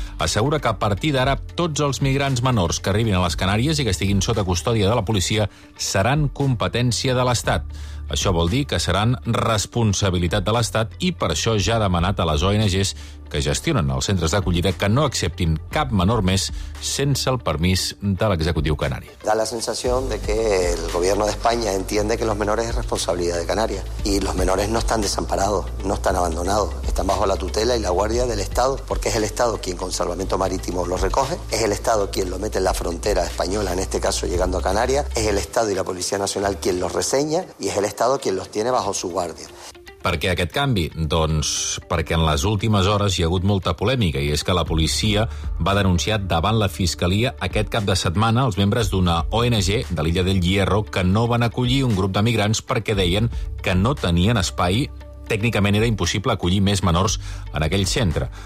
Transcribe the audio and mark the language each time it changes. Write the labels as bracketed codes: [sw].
[ca] Assegura que a partir d'ara, tots els migrants menors que arribin a les Canàries i que estiguin sota custòdia de la policia seran competència de l'Estat. Això vol dir que seran responsabilitat de l'Estat i per això ja ha demanat a les ONGs que gestionen els centres d'acollida que no acceptin cap menor més sense el permís de l'executiu canari. [es] Da la sensación de que el gobierno de España entiende que los menores es responsabilidad de Canarias y los menores no están desamparados, no están abandonados, están bajo la tutela y la guardia del Estado, porque es el Estado quien con salvamento marítimo los recoge, es el Estado quien lo mete en la frontera española, en este caso llegando a Canarias, es el Estado y la Policía Nacional quien los reseña y es el Estado quien los tiene bajo su guardia. [ca] Per què aquest canvi? Doncs perquè en les últimes hores hi ha hagut molta polèmica i és que la policia va denunciar davant la Fiscalia aquest cap de setmana els membres d'una ONG de l'illa del Hierro que no van acollir un grup de migrants perquè deien que no tenien espai. Tècnicament era impossible acollir més menors en aquell centre.